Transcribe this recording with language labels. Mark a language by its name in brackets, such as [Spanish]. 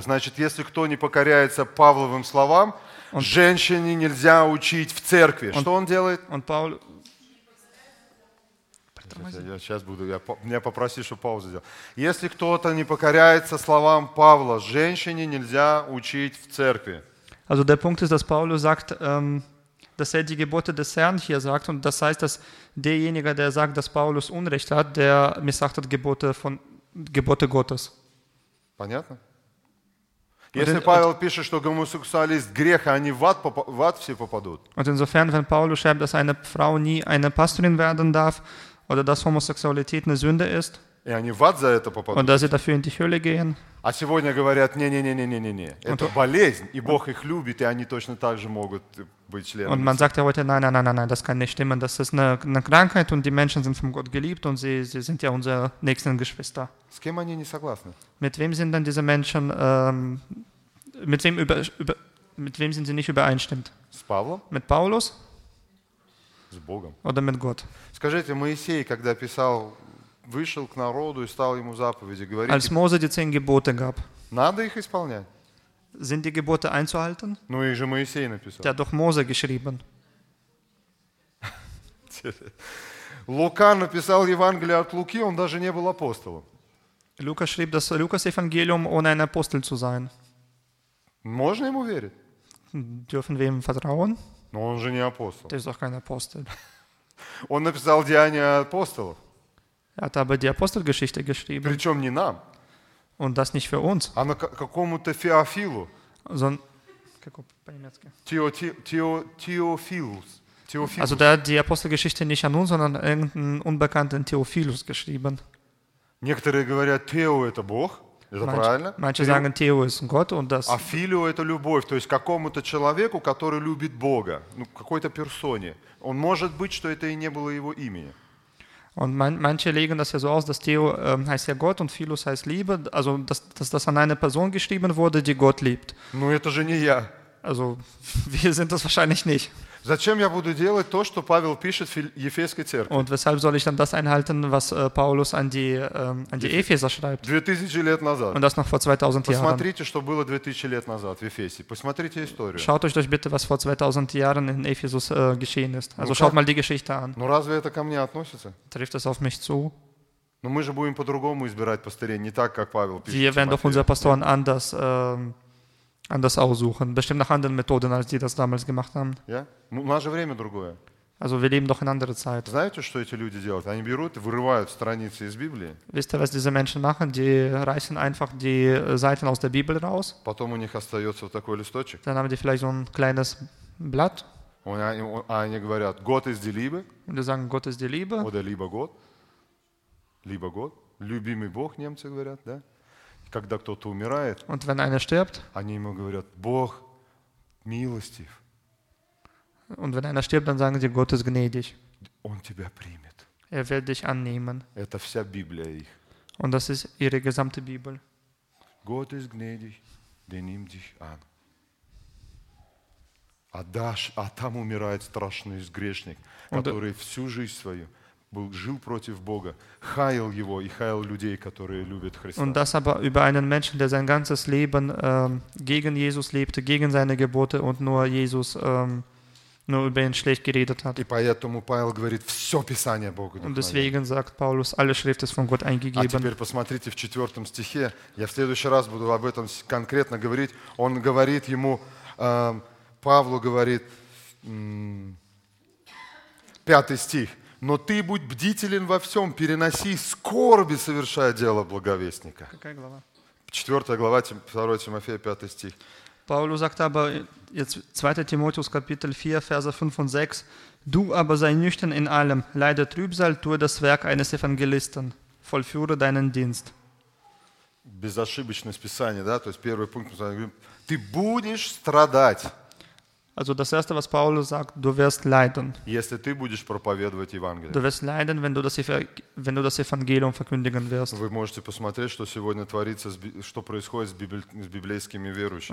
[Russian] Значит, если кто не покоряется Павловым словам, und, женщине нельзя учить в церкви. Und, что он делает? Он Павел... Я сейчас буду, меня попроси, чтобы паузу сделал. Если кто-то не покоряется словам Павла, женщине нельзя учить в церкви. [German] Also der Punkt ist, dass Paulus sagt, dass er die Gebote des Herrn hier sagt, und das heißt, dass derjenige, der sagt, dass Paulus Unrecht hat, der missachtet Gebote Gottes. [Russian] Понятно? Если Павел пишет, что гомосексуалист грех, а они в ад все попадут. [German] Und insofern, wenn Paulus schreibt, dass eine Frau nie eine Pastorin werden darf oder dass Homosexualität eine Sünde ist, [Russian] и они в ад за это попадут. [German] Und dass sie dafür in die Hölle gehen. [Russian] А сегодня говорят, не-не-не-не-не-не. Это болезнь, и Бог их любит, и они точно так же могут быть членами. [German] Und man sagt ja heute, nein, das kann nicht stimmen. Das ist eine Krankheit, und die Menschen sind von Gott geliebt, und sie sind ja unsere nächsten Geschwister. [Russian] С кем они не согласны? [German] Mit wem sind dann diese Menschen, mit wem sind sie nicht übereinstimmt? [Russian] С Павлом? [German] Mit Paulus? [Russian] С Богом. [German] Oder mit Gott. [Russian] Скажите, Моисей, когда писал... вышел к народу и стал ему заповеди говорить. [German] Als Mose die zehn Gebote gab. [Russian] Надо их исполнять. [German] Sind die Gebote einzuhalten? [Russian] Ну, их же Моисей написал. [German] Der doch Mose geschrieben. [Russian] Лука написал Евангелие от Луки, он даже не был апостолом. [German] Лука schrieb das Lukas-Evangelium ohne ein Apostel zu sein. [Russian] Можно ему верить? [German] Dürfen wir ihm vertrauen? [Russian] Но он же не апостол. [German] Der ist doch kein Apostel. [Russian] Он написал Деяния апостолов. [German] Er hat aber die Apostelgeschichte geschrieben. [Russian] Причем не нам. [German] Und das nicht für uns. [Russian] А на какому-то Феофилу. Theophilus. [German] Also der hat die Apostelgeschichte nicht an uns, sondern an irgendeinen unbekannten Theophilus geschrieben. [Russian] Некоторые говорят, Theo – это Бог. Это правильно? [German] Manche sagen, Theo ist Gott, und das... [Russian] А Филио – это любовь. То есть какому-то человеку, который любит Бога. Ну, какой-то персоне. Он может быть, что это и не было его имени. [German] Und manche legen das ja so aus, dass Theo heißt ja Gott und Philos heißt Liebe, also dass das an eine Person geschrieben wurde, die Gott liebt. [Russian] Ну, это же не я. [German] Also wir sind das wahrscheinlich nicht. [Russian] Зачем я буду делать то, что Павел пишет в Ефесской церкви? [German] Und weshalb soll ich dann das einhalten, was Paulus an die Epheser schreibt? [Russian] 2000 лет назад. [German] Und das noch vor 2000 Jahren. [Russian] Посмотрите, что было 2000 лет назад в Ефесе. Посмотрите историю. [German] Schaut euch bitte, was vor 2000 Jahren in Ephesus geschehen ist. Also schaut mal die Geschichte an. [Russian] Ну разве это ко мне относится? [German] Trifft das auf mich zu? [Russian] Ну мы же будем по-другому избирать пастырей, не так, как Павел пишет. [German] Wir werden doch unsere Pastoren anders aussuchen. Bestimmt nach anderen Methoden, als die das damals gemacht haben. Ja? [Russian] У нас же время другое. [German] Also wir leben doch in anderer Zeit. [Russian] Знаете, что эти люди делают? Они берут и вырывают страницы из Библии. [German] Wisst ihr, was diese Menschen machen? Die reißen einfach die Seiten aus der Bibel raus. [Russian] Потом у них остается вот такой листочек. [German] Dann haben die vielleicht so ein kleines Blatt. [Russian] Они говорят, [German] Gott ist die Liebe. Und die sagen, Gott ist die Liebe. Oder lieber Gott. Lieber Gott. [Russian] Любимый Бог, немцы говорят, да? Когда кто-то умирает, [German] und wenn einer stirbt, [Russian] они ему говорят, Бог милостив. [German] Und wenn einer stirbt, dann sagen sie, Gott ist gnädig. [Russian] Он тебя примет. [German] Er wird dich annehmen. [Russian] Это вся Библия их. [German] Und das ist ihre gesamte Bibel. Gott ist gnädig, der nimmt dich an. [Russian] А там умирает страшный грешник, который всю жизнь свою жил против Бога, хаял его и хаял людей, которые любят Христа. [German] Und das aber über einen Menschen, der sein ganzes Leben gegen Jesus lebte, gegen seine Gebote und nur Jesus nur über ihn schlecht geredet hat. [Russian] И поэтому Павел говорит, все Писание Богу [German] Und deswegen sagt Paulus, alle Schrift ist von Gott eingegeben. [Russian] А теперь посмотрите в 4 стихе, я в следующий раз буду об этом конкретно говорить. Он говорит ему, Павлу говорит, 5 стих. Но ты будь бдителен во всем, переноси скорби, совершая дело благовестника. Какая глава? 4 глава, 2 Тимофея, 5 стих. [German] Paulus sagt aber, jetzt 2. Timotheus, Kapitel 4, Verse 5 und 6, du aber sei nüchtern in allem, leide Trübsal, tue das Werk eines Evangelisten, vollführe deinen Dienst. [Russian] Безошибочное Писание, да? То есть первый пункт, ты будешь страдать. [German] Also das Erste, was Paulus sagt, du wirst leiden. [Russian] Если ты будешь проповедовать Евангелие. [German] Du wirst leiden, wenn du das Evangelium verkündigen wirst. [Russian] Вы можете посмотреть, что сегодня творится, что происходит с библейскими верующими.